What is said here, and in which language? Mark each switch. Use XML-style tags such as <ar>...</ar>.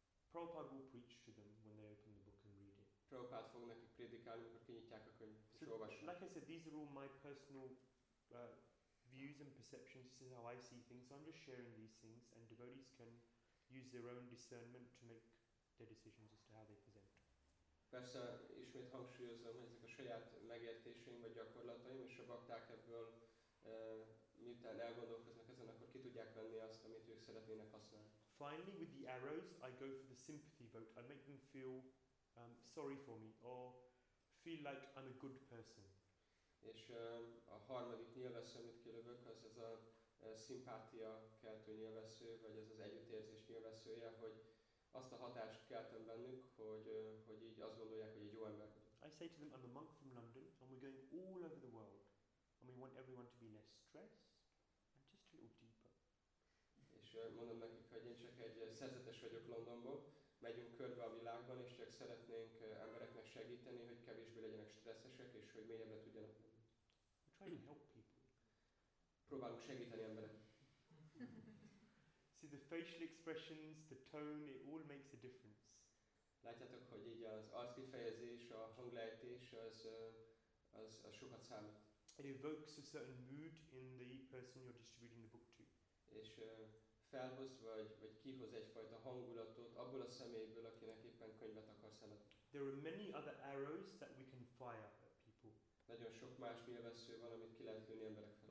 <en>Prabhupada will preach to them when they open the book and read it.</en> <hu>Prabhupada fog nekik prédikálni, amikor kinyitják a könyvet, és olvassák.</hu> <en>Like I said, these are all my personal views and perceptions, this is how I see things. So I'm just sharing these things and devotees can use their own discernment to make their decisions as to how they present.</en> <hu>Persze ismét hangsúlyozom, hogy ezek a saját megértéseim vagy gyakorlataim, és a bakták ebből miután elgondolkoznak ezen, akkor ki tudják venni azt, amit ők szeretnének használni.</hu> <en>Finally, with the arrows, I go for the sympathy vote. I make them feel sorry for me or feel like I'm a good person.</en> <hu>És a harmadik nyilvessző, amit kilövök, az ez a szimpátia keltő nyilvessző, vagy ez az együttérzés nyilvesszője, hogy azt a hatást keltem bennük, hogy így azt gondolják, hogy egy jó ember.</hu> <en>I say to them, I'm a monk from London, and we're going all over the world, and we want everyone to be less stressed, and just a little deeper.</en> <hu>És mondom nekik, hogy én csak egy szerzetes vagyok Londonból, megyünk körbe a világban, és csak szeretnénk embereknek segíteni, hogy kevésbé legyenek stresszesek, és hogy mélyebbre tudjanak menni.</hu> <en>We're trying to help people.</en> <hu>Próbálunk segíteni emberek.</hu> <en>See the facial expressions, the tone, it all makes a difference.</en> <hu>Látjátok, hogy így az arckifejezés, a hanglejtés, az sokat számít.</hu> <en>It evokes a certain mood in the person you're distributing the book to.</en> <hu>És felhoz, vagy kihoz egyfajta hangulatot abból a személyből, akinek éppen könyvet akarsz eladni.</hu> <en>There are many other arrows that we can fire at people.</en> <hu>Nagyon sok más nyilvessző van, amit ki lehet lőni emberek felé.</hu>